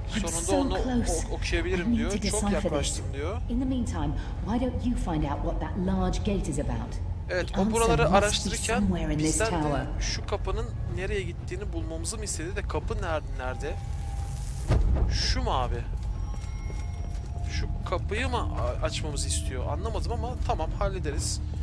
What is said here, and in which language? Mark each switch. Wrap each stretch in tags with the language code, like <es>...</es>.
<tr>Sonunda onu okuyabilirim diyor. Çok yaklaştım diyor.</tr> <en>In the meantime, why don't you find out what that large gate is about?</en> <tr>Evet, o buraları araştırırken bizden de şu kapının nereye gittiğini bulmamızı mı istedi de kapı nerede? Şu mu abi? Şu kapıyı mı açmamızı istiyor? Anlamadım ama tamam, hallederiz.</tr>